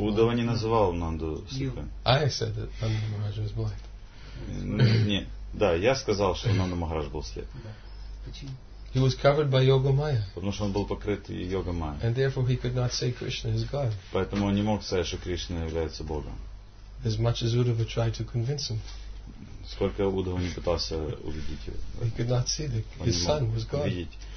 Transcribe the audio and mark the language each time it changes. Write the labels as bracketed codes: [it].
[ru] Удхава не называл Нанду слепым. [en] I said that Нанда Махарадж was blind. [ru] Нет, да, я сказал, что Нанда Махарадж был слеп. [en] He was covered by Yoga Maya. [ru] Потому что он был покрыт Йога Майя. [en] And therefore he could not say Krishna is God. [ru] Поэтому он не мог сказать, что Кришна является Богом. [en] As much as Udhava tried to convince him. [ru] Сколько Удхава не пытался убедить его. [en] He could not see that his son was God.